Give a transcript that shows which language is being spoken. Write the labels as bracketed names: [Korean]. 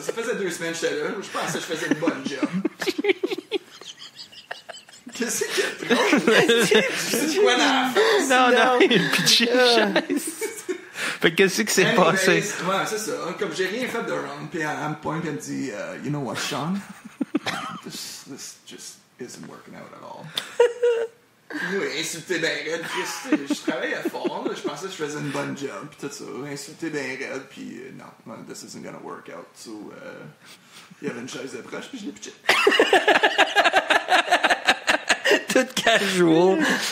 [French] Ça faisait 2 semaines que j'étais là. Je pensais que je faisais une bonne job. Qu'est-ce qui est drôle? Tu vois dans la face? Non, il pitchait une chaise. Fait qu'est-ce qui s'est passé? Ouais, c'est ça. Comme j'ai rien fait de wrong, puis elle me pointe et me dit, [English] you know what, Sean? This just isn't working out at all. [French] Oui, insulté bien raide, puis je travaillais fort, là, je pensais que je faisais une bonne job, puis tout ça, insulté bien raide, puis non, [English] this isn't gonna work out, so, [French] il y avait une chaise de proche, puis je l'ai pitché. Tout casual.